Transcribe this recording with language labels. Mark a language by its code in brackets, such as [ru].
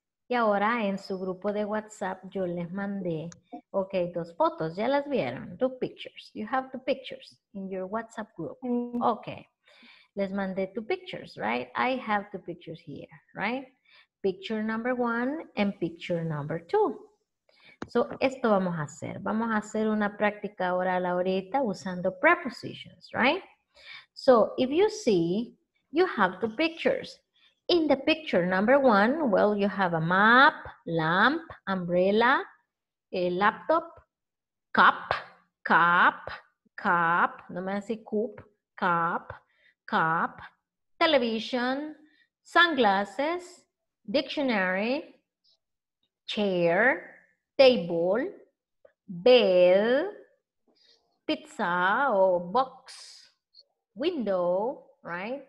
[es] Y ahora en su grupo de WhatsApp yo les mandé, ok, dos fotos, ya las vieron, two pictures. [en] You have two pictures in your WhatsApp group, ok. Les mandé two pictures, right? I have two pictures here, right? Picture number one and picture number two. So, esto vamos a hacer. [es] Vamos a hacer una práctica oral ahorita usando prepositions, right? [en] So, if you see, you have two pictures. In the picture number one, well, you have a map, lamp, umbrella, a laptop, cup, cup, cup, no me hace coop, cup, cup, television, sunglasses, dictionary, chair, table, bed, pizza or box, window, right?